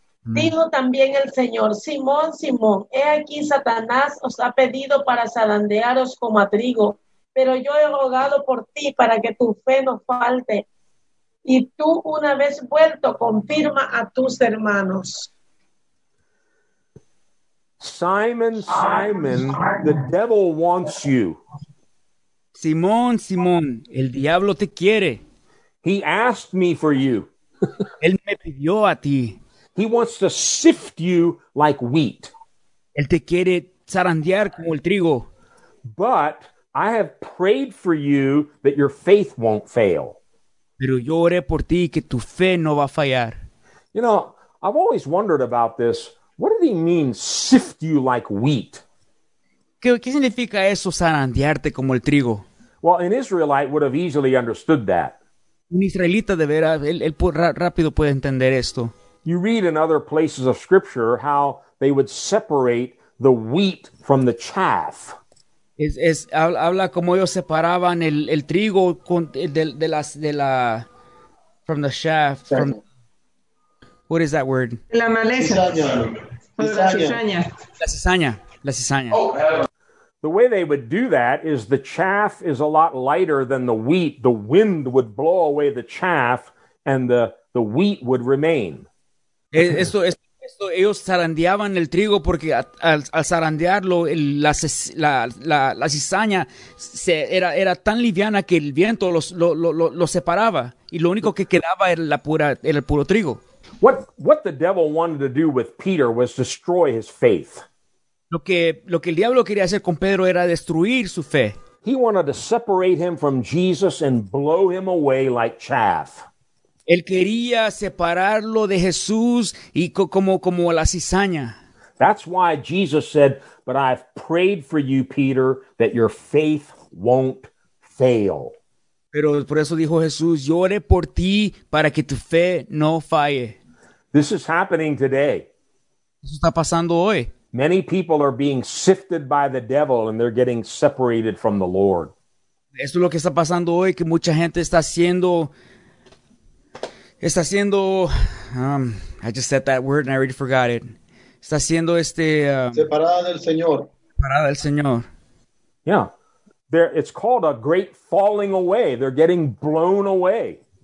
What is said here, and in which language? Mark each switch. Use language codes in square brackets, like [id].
[es] Dijo también el Señor, Simón, Simón, he aquí Satanás os ha pedido para zarandearos como a trigo. Pero yo he rogado por ti para que tu fe no falte. Y tú, una vez vuelto, confirma a tus hermanos. [en] Simon, Simon, the devil wants you. [es] Simón, Simón, el diablo te quiere. [en] He asked me for you. [es] Él me pidió a ti. [en] He wants to sift you like wheat. [es] Él te quiere zarandear como el trigo. [en] But I have prayed for you that your faith won't fail. [es] Pero yo oré por ti que tu fe no va a fallar. [en] You know, I've always wondered about this. What did he mean, sift you like wheat? [es] ¿Qué significa eso, zarandearte como el trigo? [en] Well, an Israelite would have easily understood that. [es] Un israelita de veras, él rápido puede entender esto. [en] You read in other places of Scripture how they would separate the wheat from the chaff. [es] Es habla como ellos separaban el trigo con de la [en] from the chaff, from what is that word, [es] la maleza, la cizaña. [en] Oh, the way they would do that is the chaff is a lot lighter than the wheat. The wind would blow away the chaff and the wheat would remain. [es] Esto, ellos zarandeaban el trigo porque al zarandearlo la cizaña era tan liviana que el viento lo separaba y lo único que quedaba era el puro trigo. [en] What the devil wanted to do with Peter was destroy his faith. [es] Lo que el diablo quería hacer con Pedro era destruir su fe. [en] He wanted to separate him from Jesus and blow him away like chaff. [es] Él quería separarlo de Jesús y como la cizaña. [en] That's why Jesus said, but I've prayed for you, Peter, that your faith won't fail. [es] Pero por eso dijo Jesús, yo oré por ti para que tu fe no falle. [en] This is happening today. [es] Eso está pasando hoy. [en] Many people are being sifted by the devil and they're getting separated from the Lord. [es] Eso es lo que está pasando hoy, que mucha gente está haciendo... Está haciendo, [en] I just said that word and I already forgot it. [es] Está haciendo separada del Señor. Separada del Señor. [en] Yeah. There, it's called a great falling away. They're getting blown away.